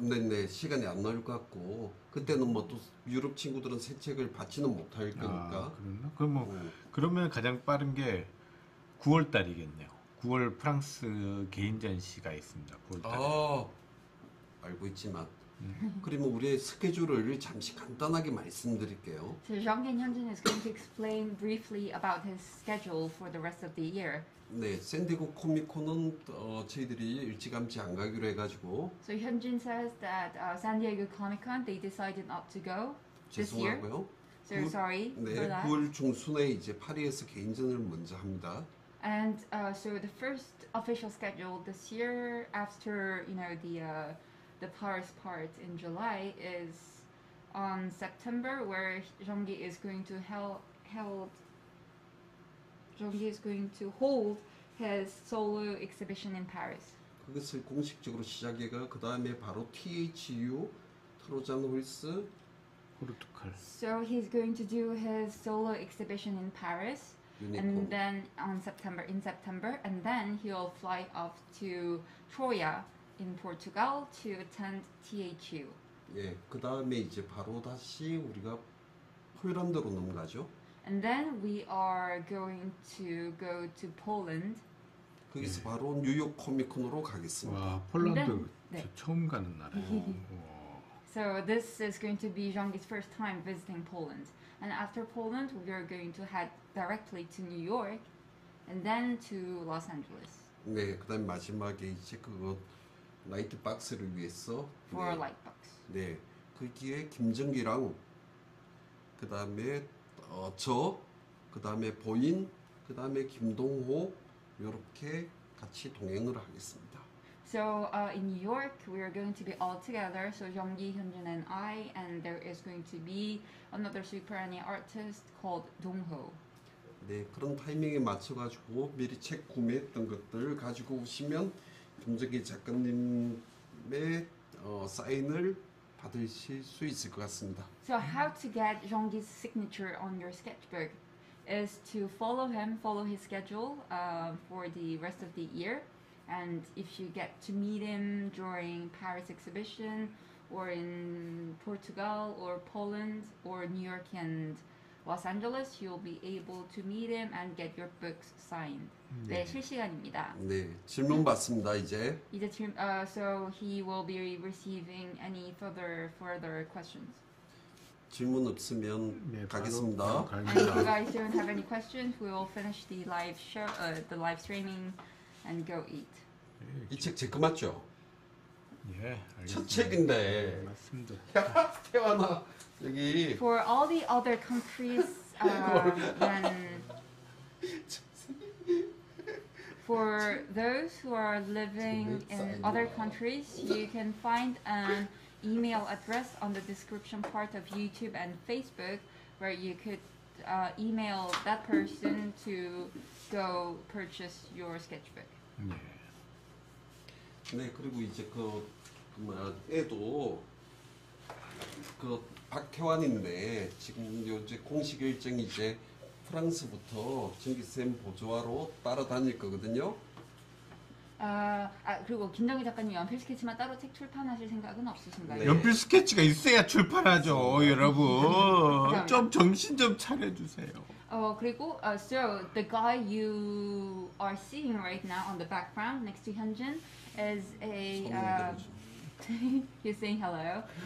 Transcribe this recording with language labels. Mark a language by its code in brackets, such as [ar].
[ko] 네네 시간이 안 나올 것 같고 그때는 뭐 또 유럽 친구들은 새 책을 받지는 못할 거니까. 아, 그렇나? 그럼 뭐 그러면 가장 빠른 게 9월 달이겠네요. 9월 프랑스 개인 전시가 있습니다. 9월 달에. 알고 있지만 그러면 우리의 스케줄을 잠시 간단하게 말씀드릴게요. [en] So Zhongyin Hyunjin is going to explain briefly about his schedule for the rest of the year. [ko] 네, 샌디고 코미콘은 저희들이 일찌감치 안 가기로 해가지고. [en] So Hyunjin says that San Diego Comic Con they decided not to go this year. So sorry. [ko] 네, 9월 중순에 이제 파리에서 개인전을 먼저 합니다. [en] And so the first official schedule this year after you know the Paris part in July is on September where Zhongyi is going to hold his solo exhibition in Paris. [ko] 그것을 공식적으로 시작해가 그 다음에 바로 THU 트로잔홀스 포르투갈. [en] So he's going to do his solo exhibition in Paris, Unicorn. And then in September, and then he'll fly off to Troia. In Portugal to attend THU. [ko] 예, 그 다음에 이제 바로 다시 우리가 폴란드로 넘어가죠. [en] And then we are going to go to Poland. [ko] 거기서 네. 바로 뉴욕 코미콘으로 가겠습니다. 와, 폴란드 [en] then, [ko] 네. 처음 가는 나라. [en] So this is going to be Zhongyi's first time visiting Poland. And after Poland, we are going to head directly to New York, and then to Los Angeles. [ko] 네, 그 다음 마지막에 이제 그거. 라이트박스를 위해서 [en] For 네. Lightbox. [ko] 네, 거기에 김정기랑 그 다음에 저, 그 다음에 보인, 그 다음에 김동호 이렇게 같이 동행을 하겠습니다. [en] So in New York, we are going to be all together. So Zhongyi, Hyunjin, and I, and there is going to be another super anime artist called Dongho. [ko] 네, 그런 타이밍에 맞춰 가지고 미리 책 구매했던 것들 가지고 오시면. 김정기 작가님의 사인을 받으실 수 있을 것 같습니다. [en] So how to get Zhongyi's signature on your sketchbook is to follow him, follow his schedule for the rest of the year. And if you get to meet him during Paris exhibition or in Portugal or Poland or New York and Los Angeles, you'll be able to meet him and get your books signed. [ko] 네. 네, 실시간입니다. 네, 질문 받습니다, 이제. [en] 이제 so he will be receiving any further questions. [ko] 질문 없으면 네, 가겠습니다. [en] If you guys don't have any questions, we will finish the live show, the live streaming and go eat. [ko] 이 책 제 거 맞죠? 예, 첫 책인데. 네, 맞습니다. 야, 태환아, 여기. [en] For all the other countries, then... For those who are living in other countries, you can find an email address on the description part of YouTube and Facebook where you could email that person to go purchase your sketchbook. [ko] 네. 네, 그리고 이제 그 뭐야, 애도 그 박혜환인데 지금 이제 공식 일정이 이제 프랑스부터 전기쌤 보조화로 따라다닐 거거든요. 아, 그리고 김정희 작가님 연필 스케치만 따로 책 출판하실 생각은 없으신가요? 네. 연필 스케치가 있어야 출판하죠, 여러분. 좀 정신 좀 차려주세요. 그리고 [en] so the guy you are seeing right now on the background next to Hyunjin is a he's saying hello.